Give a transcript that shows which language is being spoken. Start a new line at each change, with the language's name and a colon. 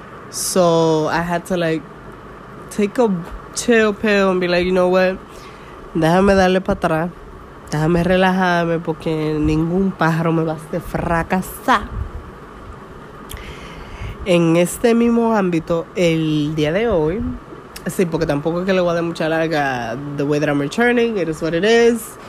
English: So I had to like take a chill pill and be like, you know what?
Spanish: Déjame darle para atrás. Déjame relajarme porque ningún pájaro me va a hacer fracasar. En este mismo ámbito, el día de hoy. Sí, porque tampoco es que le voy a dar mucha larga.
English: The way that I'm returning, it is what it is.